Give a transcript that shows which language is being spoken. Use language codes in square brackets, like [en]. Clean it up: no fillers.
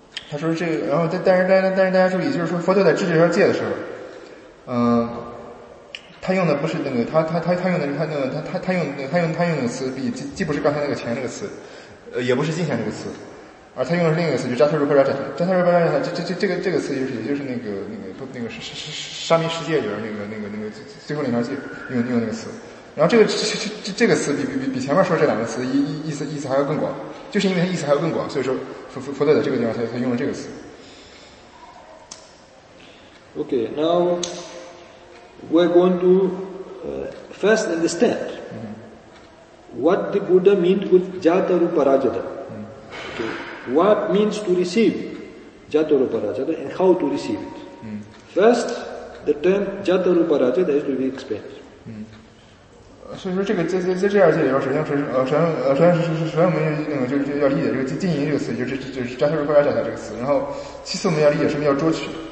[zh] 他说这个，然后但是大家注意，就是说佛教在治这条戒的时候，他用的不是那个他用的是他那个他用的他用的词，既不是刚才那个钱那个词，也不是金钱这个词，而他用的是另一个词，就扎特如何扎扎扎特如何扎扎，这个词就是也就是那个沙弥世界里边那个最后两条戒用那个词，然后这个词比前面说这两个词意思还要更广，就是因为它意思还要更广，所以说。佛在这个地方他用了这个词。 [en] Okay, now we're going to first understand what the Buddha means with jata rupa rajata. Okay, what means to receive jata rupa rajata and how to receive it. First, the term jata rupa rajata has to be explained. [zh] 所以说这个在这二界里边首先我们要理解这个金银这个词，就是加特如何来展开这个词，然后其次我们要理解什么叫捉取，